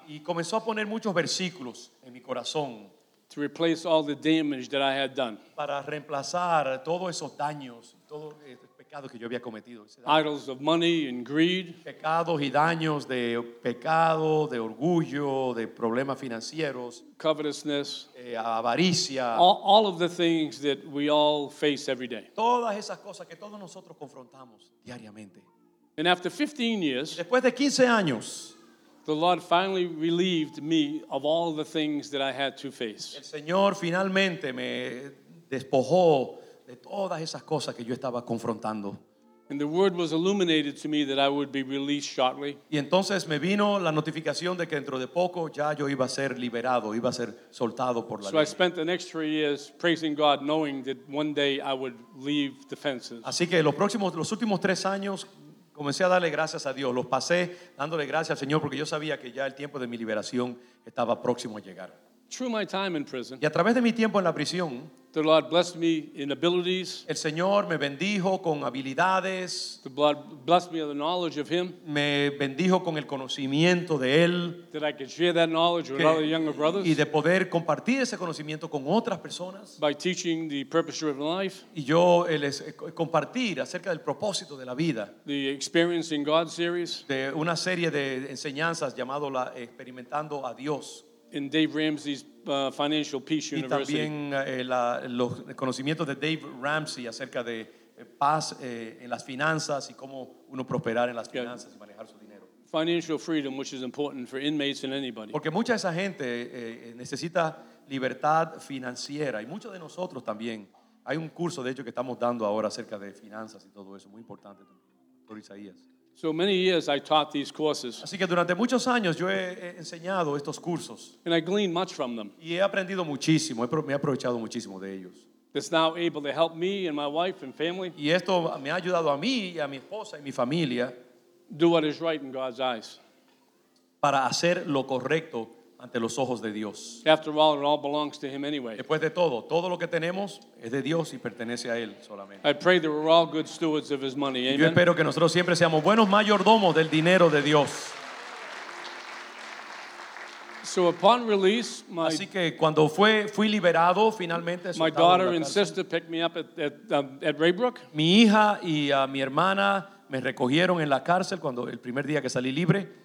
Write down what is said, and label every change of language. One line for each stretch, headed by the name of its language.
Spanish: Y comenzó a poner muchos versículos en mi corazón.
English: To replace all the damage that I had done.
Spanish: Para reemplazar todos esos daños, todo el pecado que yo había cometido.
English: Idols of money and greed.
Spanish: Pecados y daños de pecado, de orgullo, de problemas financieros.
English: Covetousness.
Spanish: Avaricia.
English: All of the things that we all face every day.
Spanish: Todas esas cosas que todos nosotros confrontamos diariamente.
English: And after 15 years.
Spanish: Después de 15 años.
English: The Lord finally relieved me of all the things that I had to face.
Spanish: El Señor finalmente me despojó de todas esas cosas que yo estaba confrontando.
English: And the word was illuminated to me that I would be released shortly.
Spanish: Y entonces me vino la notificación de que dentro de poco ya yo iba a ser liberado, iba a ser soltado por la
English: ley. So I spent the next 3 years praising God, knowing that one day I would leave the fences.
Spanish: Así que los últimos 3 años. Comencé a darle gracias a Dios. Los pasé dándole gracias al Señor porque yo sabía que ya el tiempo de mi liberación estaba próximo a llegar.
English: Through my time in prison,
Spanish: y a través de mi tiempo en la prisión,
English: the Lord blessed me in abilities,
Spanish: el Señor me bendijo con habilidades.
English: The Lord blessed me with the knowledge of him,
Spanish: me bendijo con el conocimiento de Él.
English: That I could share that knowledge with other younger brothers,
Spanish: y de poder compartir ese conocimiento con otras personas.
English: By teaching the purpose of life,
Spanish: y yo les compartir acerca del propósito de la vida.
English: The Experience in God series,
Spanish: de una serie de enseñanzas llamado la Experimentando a Dios.
English: In Dave Ramsey's Financial Peace University.
Spanish: Y también los conocimientos de Dave Ramsey acerca de paz en las finanzas y cómo uno prosperar en las finanzas y manejar su dinero.
English: Financial freedom, which is important for inmates and anybody.
Spanish: Porque mucha de esa gente necesita libertad financiera y muchos de nosotros también. Hay un curso, de hecho, que estamos dando ahora acerca de finanzas y todo eso, muy importante por Isaías.
English: So many years I taught these courses.
Spanish: Así que durante muchos años yo he enseñado estos cursos.
English: And I gleaned much from them.
Spanish: Y he aprendido muchísimo, me he aprovechado muchísimo de ellos.
English: That's now able to help me and my wife and family.
Spanish: Y esto me ha ayudado a mí y a mi esposa y mi familia.
English: Do what is right in God's eyes.
Spanish: Para hacer lo correcto ante los ojos de Dios.
English: After all, it all belongs to Him anyway.
Spanish: Después de todo, todo lo que tenemos es de Dios y pertenece a Él solamente.
English: I pray that we're all good stewards of His money. Amen.
Spanish: Yo espero que nosotros siempre seamos buenos mayordomos del dinero de Dios.
English: So upon release,
Spanish: así que cuando fui liberado finalmente,
English: my daughter and sister picked me up at Raybrook.
Spanish: Mi hija y mi hermana me recogieron en la cárcel cuando el primer día que salí libre.